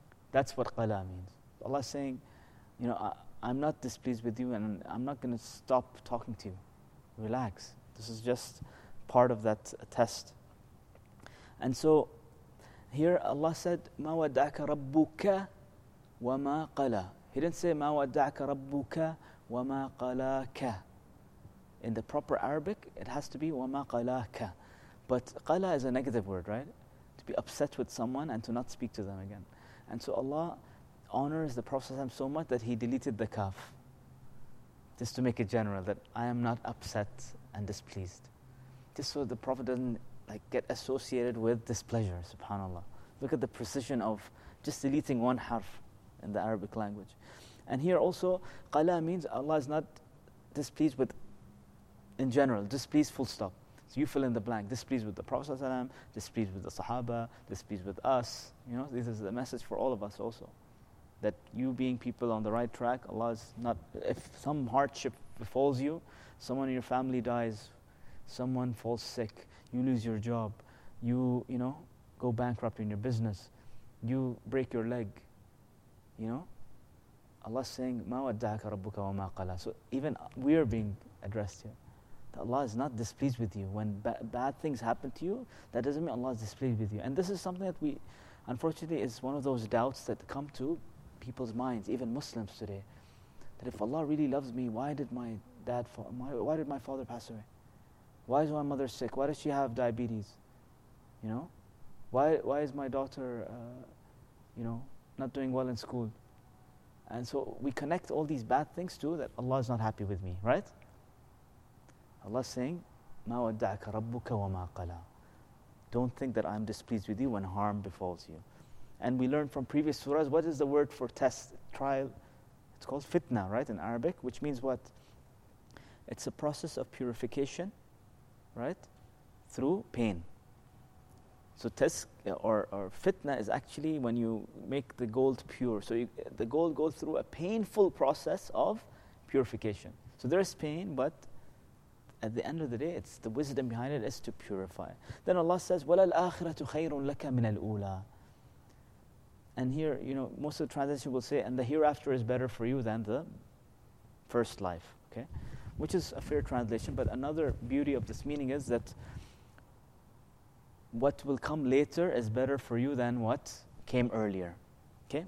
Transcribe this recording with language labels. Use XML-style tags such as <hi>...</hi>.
<en>That's what qala means. Allah is saying, you know, I'm not displeased with you and I'm not going to stop talking to you. Relax. This is just part of that test. And so here Allah said,</en> <ar>مَا وَدَّعَكَ رَبُّكَ وَمَا قَلَى.</ar> <en>He didn't say,</en> <ar>مَا وَدَّعَكَ رَبُّكَ وَمَا قَلَاكَ.</ar> <en>In the proper Arabic, it has to be</en> <ar>وَمَا قَلَاكَ.</ar> <en>But قَلَى is a negative word, right? To be upset with someone and to not speak to them again. And so Allah honors the Prophet so much that he deleted the kaf. Just to make it general, that I am not upset and displeased. Just so the Prophet doesn't like get associated with displeasure, subhanAllah. Look at the precision of just deleting one harf in the Arabic language. And here also, qala means Allah is not displeased with, in general, displeased full stop. So you fill in the blank, displeased with the Prophet ﷺ, displeased with the Sahaba, displeased with us. You know, this is the message for all of us also. That you being people on the right track, Allah is not, if some hardship befalls you, someone in your family dies, someone falls sick, you lose your job, you go bankrupt in your business, you break your leg, you know? Allah is saying,</en> <ar>مَا وَدَّعَكَ رَبُّكَ وَمَا قَلَى.</ar> <en>So even we are being addressed here. That Allah is not displeased with you. When bad things happen to you, that doesn't mean Allah is displeased with you. And this is something that we, unfortunately, is one of those doubts that come to people's minds, even Muslims today. That if Allah really loves me, why did my father pass away? Why is my mother sick? Why does she have diabetes? You know? Why is my daughter, not doing well in school? And so we connect all these bad things to that Allah is not happy with me, right? Allah is saying,</en> <ar>مَا وَدَّعَكَ رَبُّكَ وَمَا قَلَى.</ar> <en>Don't think that I'm displeased with you when harm befalls you. And we learned from previous surahs, what is the word for test, trial? It's called fitna, right, in Arabic, which means what? It's a process of purification, right, through pain. So test or fitna is actually when you make the gold pure. So the gold goes through a painful process of purification. So there is pain, but at the end of the day, it's the wisdom behind it is to purify. Then Allah says,</en> <ar>وَلَا الْآخِرَةُ خَيْرٌ لَكَ مِنَ الْأُولَىٰ.</ar> <en>And here, you know, most of the translation will say, and the hereafter is better for you than the first life, okay? Which is a fair translation, but another beauty of this meaning is that what will come later is better for you than what came earlier, okay?</en>